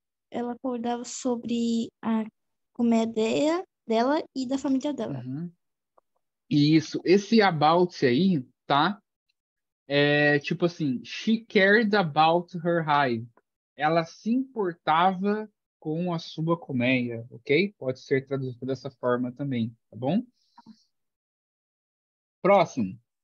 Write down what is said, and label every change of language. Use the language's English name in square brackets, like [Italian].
[Portuguese] Ela cuidava sobre a comédia dela e da família dela. Uhum. Isso. Esse about aí, tá? É tipo assim, [English] she cared about her hive. [Portuguese] Ela se importava com a sua colmeia, ok? Pode ser traduzido dessa forma também, tá bom? Próximo.